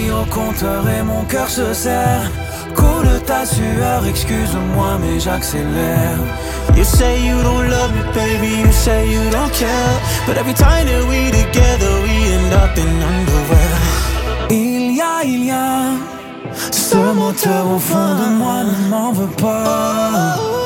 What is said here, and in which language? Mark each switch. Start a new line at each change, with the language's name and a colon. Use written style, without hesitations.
French: compteur et mon cœur se serre. Coule ta sueur, excuse-moi mais j'accélère.
English: You say you don't love me baby, you say you don't care. But every time that we together we end up in underwear.
French: Il y a ce moteur au fond de moi ne m'en veut pas.